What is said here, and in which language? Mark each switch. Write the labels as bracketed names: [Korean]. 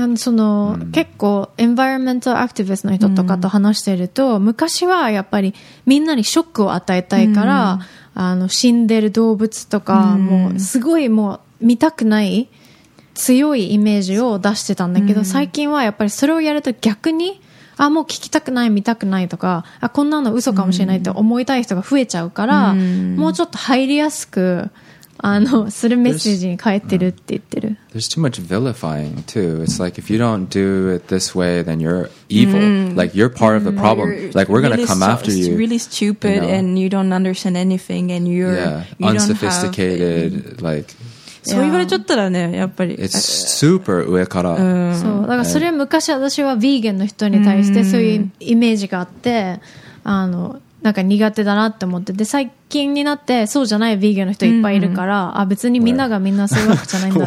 [Japanese] ん、あのその、うん、結構エンバイロメントアクティビストの人とかと話してると、うん、昔はやっぱりみんなにショックを与えたいから、うん、あの死んでる動物とか、うん、もうすごいもう見たくない強いイメージを出してたんだけど、うん、最近はやっぱりそれをやると逆に、あ、もう聞きたくない、見たくないとか、あ、こんなの嘘かもしれないって思いたい人が増えちゃうから、うん、もうちょっと入りやすく、あの、するメッセージに変えてるって言ってる。 [English] There's too much vilifying too. It's like, if you don't do it this way, then you're evil.、Mm. Like, you're part of the problem. Like, we're going to come after you. It's really stupid, you know? And you don't understand anything, and you're... Yeah, unsophisticated, like... [Japanese] そう言われちゃったらね、やっぱり。 [English] It's super [Japanese] 上から。うん、そう。だからそれは昔私はヴィーゲンの人に対してそういうイメージがあって、あの、なんか苦手だなって思って。で、最近になってそうじゃないヴィーゲンの人いっぱいいるから、うんうん、あ、別にみんながみんなそういうわけじゃないんだ。